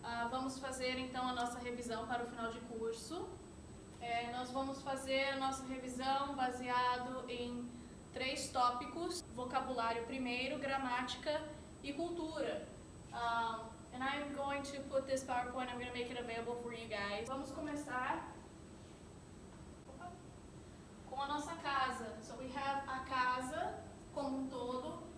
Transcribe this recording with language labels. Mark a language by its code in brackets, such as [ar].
[pt] Vamos fazer então a nossa revisão para o final de curso. Nós vamos fazer a nossa revisão baseado em três tópicos: vocabulário primeiro, gramática e cultura. [en] And I'm going to put this PowerPoint, I'm going to make it available for you guys. [pt] Vamos começar com a nossa casa. [en] So we have a [pt] casa como um todo.